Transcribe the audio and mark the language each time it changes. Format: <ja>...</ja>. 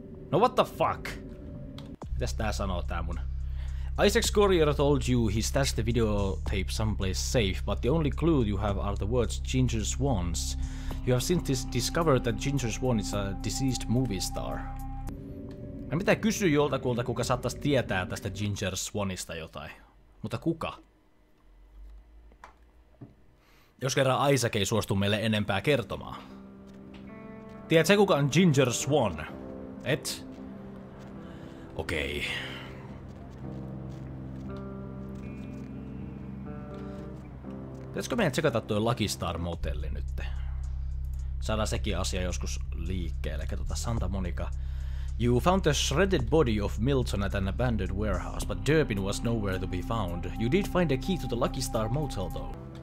<fi>No</fi> <en>what the fuck?</en> <fi>Mitäs tää sanoo tää mun?</fi> <en>Isaac's courier told you he stashed the videotape someplace safe, but the only clue you have are the words Ginger Swans. You have since discovered that Ginger Swan is a deceased movie star.</en> <fi>Mä mitä kysyy joltakulta, kuka saattais tietää tästä Ginger Swanista jotain. Mutta kuka? Jos kerran Isaac ei suostu meille enempää kertomaan. Tiedät sä kuka on Ginger Swan? Et? Okei. Pitäisikö meidän tsekata toi Lucky Star Motelli nytte? Saadaan sekin asia joskus liikkeelle. Katsotaan Santa Monica.</fi> <en>You found the shredded body of Milton at an abandoned warehouse, but Durbin was nowhere to be found. You did find a key to the Lucky Star Motel though.</en>